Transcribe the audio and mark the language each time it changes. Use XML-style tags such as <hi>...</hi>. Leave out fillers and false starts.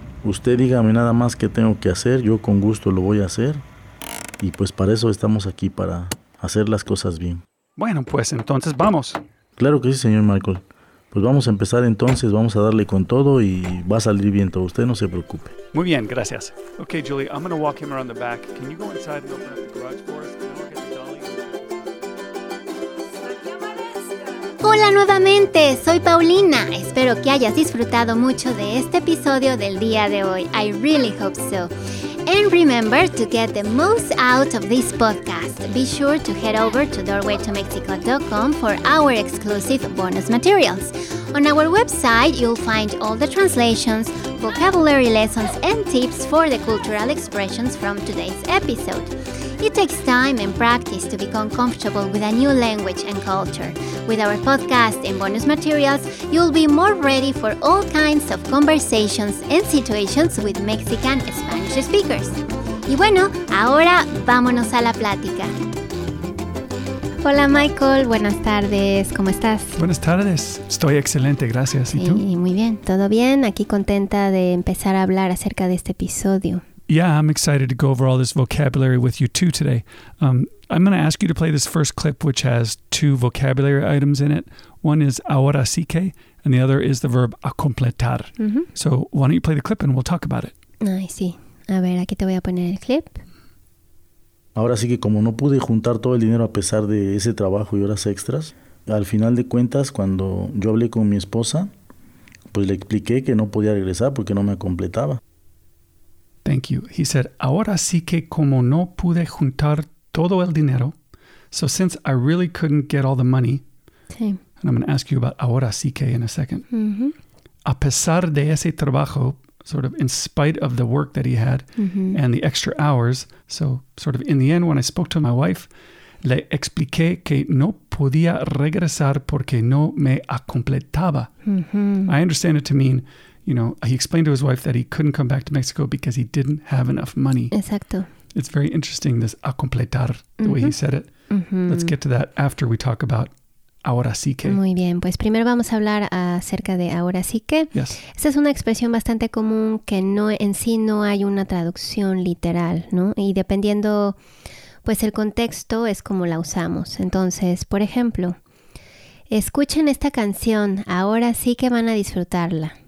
<es>Usted dígame nada más qué tengo que hacer. Yo con gusto lo voy a hacer. Y pues para eso estamos aquí, para hacer las cosas bien. Bueno, pues entonces vamos. Claro que sí, señor Michael. Pues vamos a empezar entonces, vamos a darle con todo y va a salir bien todo, usted no se preocupe. Muy bien, gracias.</es> <en>Okay, Julie, I'm going to walk him around the back. Can you go inside and open up the garage for us?</en> <es>Hola nuevamente, soy Paulina. Espero que hayas disfrutado mucho de este episodio del día de hoy.</es> <en>I really hope so. And remember, to get the most out of this podcast, be sure to head over to doorwaytomexico.com for our exclusive bonus materials. On our website, you'll find all the translations, vocabulary lessons, and tips for the cultural expressions from today's episode. It takes time and practice to become comfortable with a new language and culture. With our podcast and bonus materials, you'll be more ready for all kinds of conversations and situations with Mexican Spanish speakers.</en> <es>Y bueno, ahora vámonos a la plática. Hola, Michael. Buenas tardes. ¿Cómo estás? Buenas tardes. Estoy excelente. Gracias. ¿Y tú? Muy bien. ¿Todo bien? Aquí contenta de empezar a hablar acerca de este episodio.</es> <en>Yeah, I'm excited to go over all this vocabulary with you too today. I'm going to ask you to play this first clip, which has two vocabulary items in it. One is ahora sí que, and the other is the verb a completar. Mm-hmm. So why don't you play the clip and we'll talk about it.</en> <es>Ay, sí. A ver, aquí te voy a poner el clip. Ahora sí que como no pude juntar todo el dinero a pesar de ese trabajo y horas extras, al final de cuentas, cuando yo hablé con mi esposa, pues le expliqué que no podía regresar porque no me completaba.</es> <en>Thank you. He said,</en> <es>ahora sí que como no pude juntar todo el dinero,</es> <en>so since I really couldn't get all the money,</en> <es>sí.</es> <en>And I'm going to ask you about ahora sí que in a second. Mm-hmm.</en> <es>A pesar de ese trabajo,</es> <en>sort of in spite of the work that he had mm-hmm. and the extra hours. So sort of in the end, when I spoke to my wife,</en> <es>le expliqué que no podía regresar porque no me completaba. Mm-hmm.</es> <en>I understand it to mean, you know, he explained to his wife that he couldn't come back to Mexico because he didn't have enough money.</en> <es>Exacto.</es> <en>It's very interesting, this a completar, the mm-hmm. way he said it. Mm-hmm. Let's get to that after we talk about ahora sí que.</en> <es>Muy bien, pues primero vamos a hablar acerca de ahora sí que.</es> <en>Yes.</en> <es>Esta es una expresión bastante común que no en sí no hay una traducción literal, ¿no? Y dependiendo, pues el contexto es como la usamos. Entonces, por ejemplo, escuchen esta canción, ahora sí que van a disfrutarla.</es>